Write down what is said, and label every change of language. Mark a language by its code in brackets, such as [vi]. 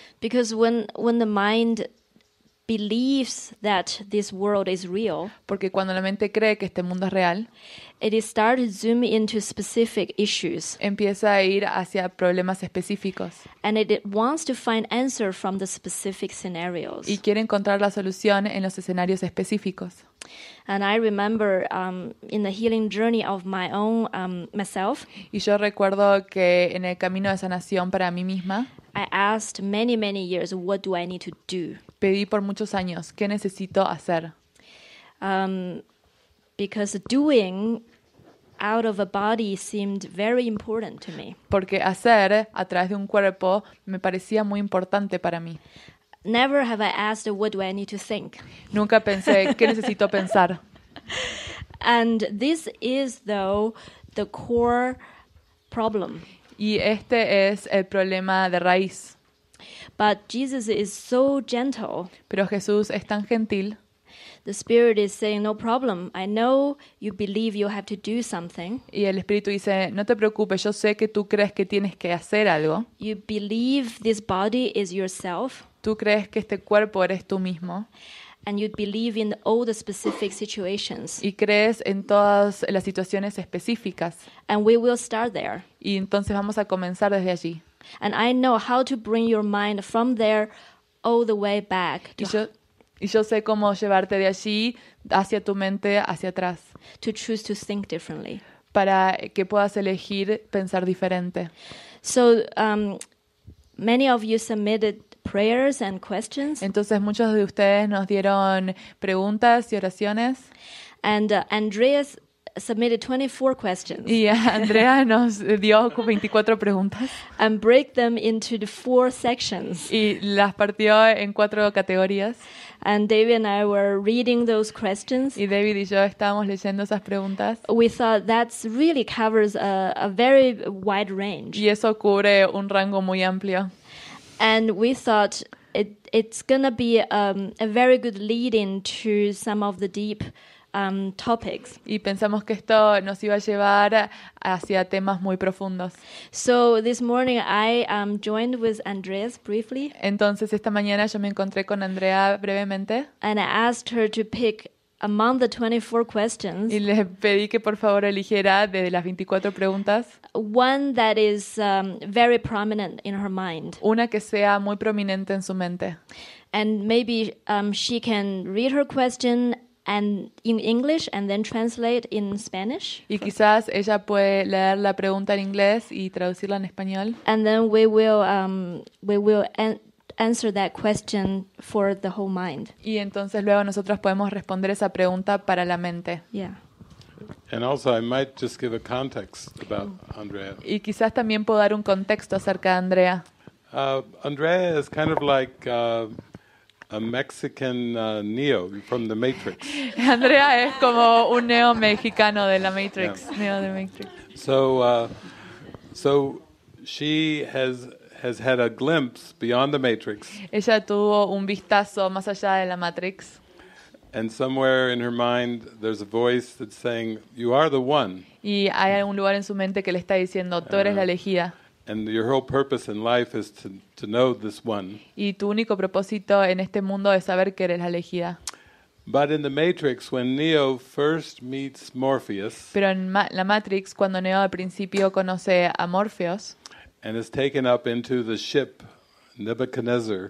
[en] Because when the mind believes that this world is real, [es] porque cuando la mente cree que este mundo es real, [en] it is start to zoom into specific issues. [es] Empieza a ir hacia problemas específicos. [en] And it wants to find answer from the specific scenarios. [es] Y quiere encontrar la solución en los escenarios específicos. [en] And I remember in the healing journey of my own myself. [es] Y yo recuerdo que en el camino de sanación para mí misma, [en] I asked many, many years, what do I need to do? [es] Pedí por muchos años, ¿qué necesito hacer? [en] Because doing out of a body seemed very important to me. [es] Porque hacer a través de un cuerpo me parecía muy importante para mí. [en] Never have I asked, what do I need to think? [es] Nunca pensé, ¿qué necesito pensar? [en] And this is, though, the core problem. [es] Y este es el problema de raíz. [en] But Jesus is so gentle. [es] Pero Jesús es tan gentil. [en] The Spirit is saying, no problem. I know you believe you have to do something. [es] Y el Espíritu dice, no te preocupes. Yo sé que tú crees que tienes que hacer algo. [en] You believe this body is yourself. [es] Tú crees que este cuerpo eres tú mismo. [en] And you believe in all the specific situations. [es] Y crees en todas las situaciones específicas. [en] And we will start there. [es] Y entonces vamos a comenzar desde allí. [en] And I know how to bring your mind from there all the way back. [es] Y yo sé cómo llevarte de allí hacia tu mente hacia atrás. [en] To choose to think differently. [es] Para que puedas elegir pensar diferente. [en] So many of you submitted prayers and questions. [es] Entonces muchos de ustedes nos dieron preguntas y oraciones. [en] And Andreas submitted 24 questions. [es] Y Andrea nos dio 24 preguntas. [en] And break them into the four sections. [es] Y las partió en cuatro categorías. [en] And David and I were reading those questions. [es] Y David y yo estábamos leyendo esas preguntas. [en] We thought that really covers a very wide range. [es] Y eso cubre un rango muy amplio. [en] And we thought it's going to be a very good lead-in to some of the deep topics. [es] Y pensamos que esto nos iba a llevar hacia temas muy profundos. [en] So this morning I joined with Andreas briefly. [es] Entonces esta mañana yo me encontré con Andrea brevemente. [en] And I asked her to pick among the 24 questions. [es] Y le pedí que por favor eligiera de las 24 preguntas. [en] One that is very prominent in her mind. [es] Una que sea muy prominente en su mente. [en] And maybe she can read her question and in English and then translate in Spanish. [es] Y quizás ella puede leer la pregunta en inglés y traducirla en español. [en] And then we will answer that question for the whole mind. [es] Y entonces luego nosotros podemos responder esa pregunta para la mente. [en] Yeah. And also I might just give a context about Andrea. [es] Y quizás también puedo dar un contexto acerca de Andrea. [en] Andrea is kind of like a Mexican Neo from the Matrix. [es] Andrea es como un neo mexicano de la Matrix. Yeah. Neo de Matrix. [en] So she has had a glimpse beyond the Matrix. [es] Ella tuvo un vistazo más allá de la Matrix. [en] And somewhere in her mind, there's a voice that's saying, "You are the one." [es] Y hay un lugar en su mente que le está diciendo, "Tú eres la elegida." [en] And your whole purpose in life is to know this one. [es] Y tu único propósito en este mundo es saber que eres la elegida. [en] But in the Matrix, when Neo first meets Morpheus. [es] Pero en la Matrix, cuando Neo al principio conoce a Morpheus. [en] And is taken up into the ship Nebuchadnezzar.